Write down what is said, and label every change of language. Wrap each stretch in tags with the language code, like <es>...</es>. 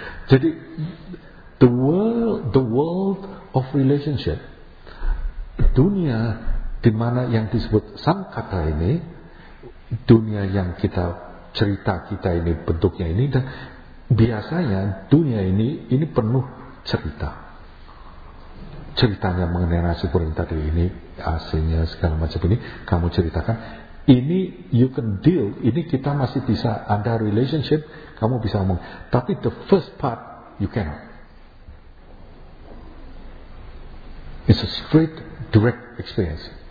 <id>Jadi</id> <en>the world of relationship.</en> <id>Dunia di mana yang disebut sangkata ini, dunia yang kita cerita kita ini bentuknya ini, dan biasanya dunia ini penuh cerita. Ceritanya mengenai nasi goreng tadi ini, aslinya segala macam ini, kamu ceritakan. Ini</id> <en>you can deal,</en> <id>ini kita masih bisa ada relationship, kamu bisa ngomong. Tapi</id> <en>the first part, you cannot. It's a straight direct experience.</en>